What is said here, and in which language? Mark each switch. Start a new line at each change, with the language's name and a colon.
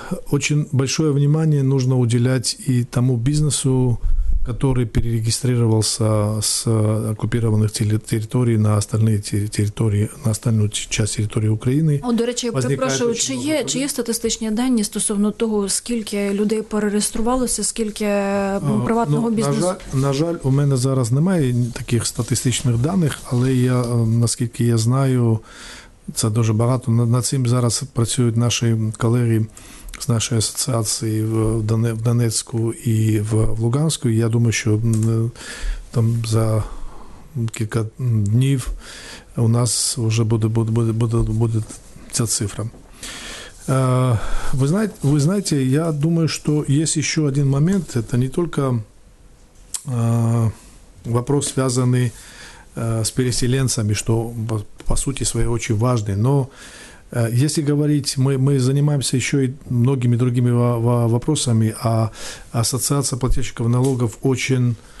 Russian: Очень большое внимание нужно уделять и тому бизнесу, который перерегистрировался с оккупированных территорий на остальные территории, на остальную часть территории Украины.
Ukrainian: О, до речі, перепрошую, чи є статистичні дані стосовно того, скільки людей перереєструвалося, скільки приватного бізнесу? На жаль, у мене зараз немає таких статистичних даних, але я, наскільки я знаю, це дуже багато. Над цим зараз працюють наші колеги з нашої асоціації в Донецьку і в Луганську. Я думаю, що там за кілька днів у нас вже буде ця цифра. Ви знаєте, я думаю, що є ще один момент. Це не тільки вопрос, зв'язаний з переселенцями, що, по суті, своє дуже важливий,
Russian: але если говорить, мы занимаемся еще и многими другими вопросами, а ассоциация плательщиков налогов очень